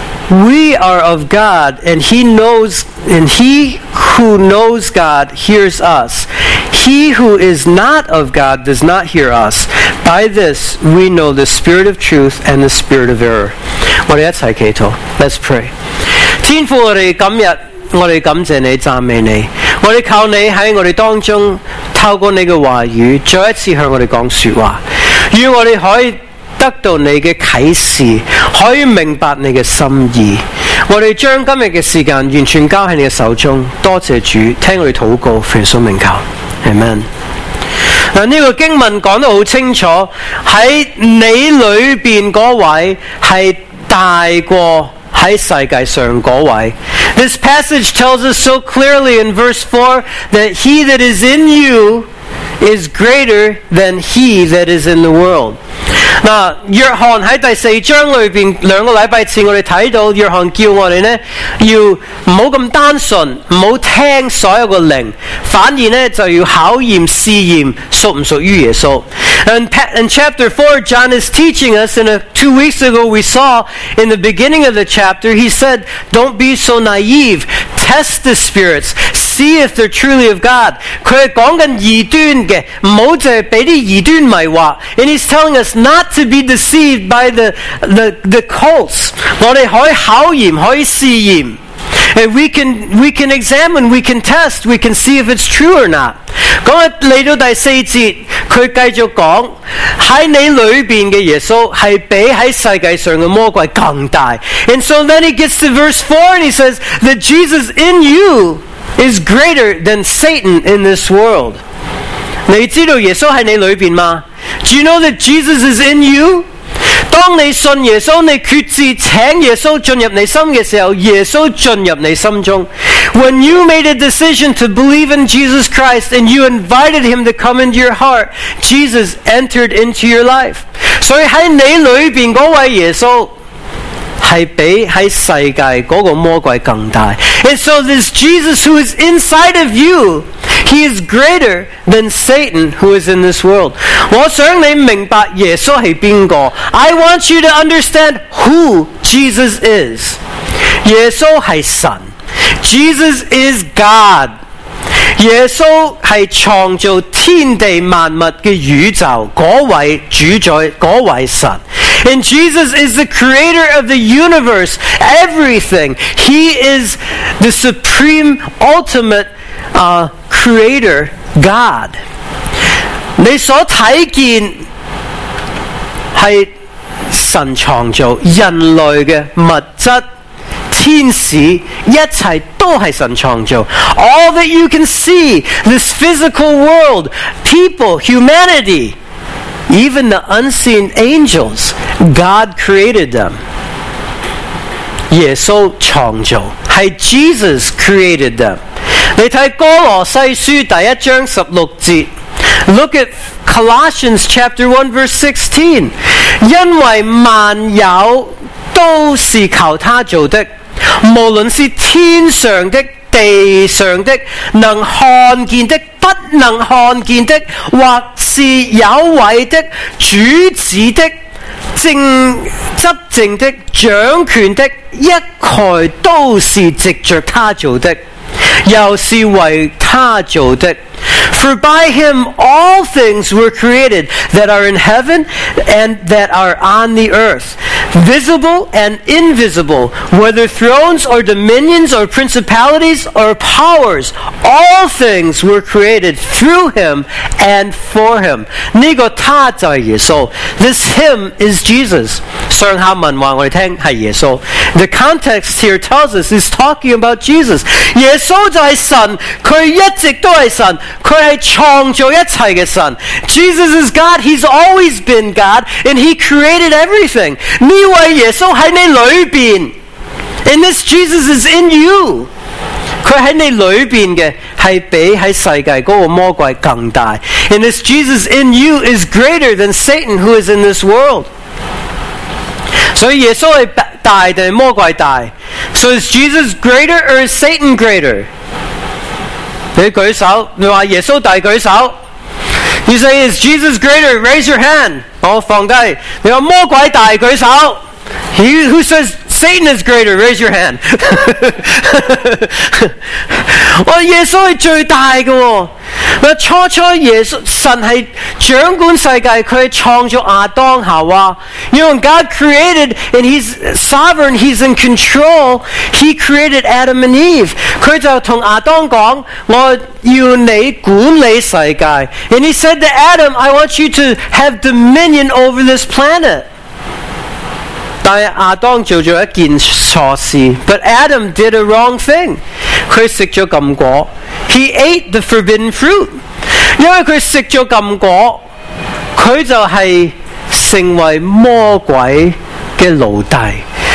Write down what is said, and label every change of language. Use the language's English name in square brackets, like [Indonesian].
[English] We are of God, and he knows, and he who knows God hears us. He who is not of God does not hear us. By this we know the spirit of truth and the spirit of error. [Chinese] 我们一起祈祷。 [English] Let's pray. [Chinese] 天父，我们今天，我们感谢你，赞美你。我们靠你在我们当中，透过你的话语，再一次向我们讲说话，愿我们可以得到你的启示，可以明白你的心意。我们将今天的时间完全交在你的手中，多谢主，听我们祷告，奉耶稣名求， Amen。这个经文讲得很清楚，在你里面那位是大过在世界上那位。 [English] This passage tells us so clearly in verse 4 that he that is in you is greater than he that is in the world。 [Chinese] 那约翰在第四章里面，两个礼拜前我们看到约翰叫我们呢，要不要那么单纯，不要听所有的灵，反而呢就要考验试验属不属于耶稣。 [English] In chapter 4 John is teaching us, and two weeks ago we saw in the beginning of the chapter he said don't be so naive, test the spirits, see if they're truly of God。 [Chinese] 他是讲的异端的，不要就是被这异端迷惑。 [English] And he's telling us notto be deceived by the cults. [Chinese] 我们可以考验，可以试验。 [English] And we can examine, we can test, we can see if it's true or not. [Chinese] 今天来到第四节，他继续讲，在你里面的耶稣是比在世界上的魔鬼更大。 [English] And so then he gets to verse 4 and he says that Jesus in you is greater than Satan in this world. [Chinese] 你知道耶稣在你里面吗？ [English] Do you know that Jesus is in you? [Chinese] 当你信耶稣，你决志请耶稣进入你心的时候，耶稣进入你心中。 [English] When you made a decision to believe in Jesus Christ and you invited him to come into your heart, Jesus entered into your life. [Chinese] 所以在你里面那位耶稣是比在世界那个魔鬼更大。 [English] And so this Jesus who is inside of you,He is greater than Satan who is in this world. [Chinese] 我想你明白耶稣是谁。 [English] I want you to understand who Jesus is. [Chinese] 耶稣是神。 [English] Jesus is God. [Chinese] 耶稣是创造天地万物的宇宙，那位主宰，那位神。 [English] And Jesus is the creator of the universe, everything. He is the supreme, ultimate creator, God. [Chinese] 你所看见是神创造，人类的物质、天使，一切都是神创造。 [English] All that you can see, this physical world, people, humanity, even the unseen angels, God created them. [Chinese] 耶稣创造，是 [English] Jesus created them。 [Chinese] 你看哥罗西书第一章十六节， [English] Look at Colossians chapter 1 verse 16。 [Chinese] 因为万有都是靠他做的，无论是天上的、地上的、能看见的、不能看见的，或是有位的、主子的、执政的、掌权的，一概都是藉着他做的，又是为他做的。 [English] For by him all things were created, that are in heaven and that are on the earth, visible and invisible, whether thrones or dominions or principalities or powers, all things were created through him and for him. [Chinese] 这个他就是耶稣。 [English] This him is Jesus. [Chinese] 上下文话我们听是耶稣。 [English] The context here tells us he's talking about Jesus. [Chinese] 耶稣就是神，他一直都是神，他是创造一切的神。 [English] Jesus is God, he's always been God, and he created everything. [Chinese] 这位耶稣在你里面， [English] and this Jesus is in you. [Chinese] 他在你里面的是比在世界那个魔鬼更大。 [English] And this Jesus in you is greater than Satan who is in this world. [Chinese] 所以耶稣是大还是魔鬼大？ [English] So is Jesus greater or is Satan greater? [Chinese] 你举手，你说耶稣大举手。 [English] You say, is Jesus greater? Raise your hand. [Chinese] 我放低。你说魔鬼大举手。 [English] He who says Satan is greater, raise your hand. [Chinese] 我耶稣是最大的。那初初耶稣神是掌管世界，他创造亚当夏娃。 [English] You know, God created and he's sovereign, he's in control. He created Adam and Eve. [Chinese] 他就跟亚当讲，我要你管理世界。 [English] And he said to Adam, I want you to have dominion over this planet. [Chinese] 但是亚当做了一件错事。 [English] But Adam did a wrong thing. [Chinese] 他吃了禁果。 [English] He ate the forbidden fruit. [Chinese] 因为他吃了禁果，他就是成为魔鬼的奴隶。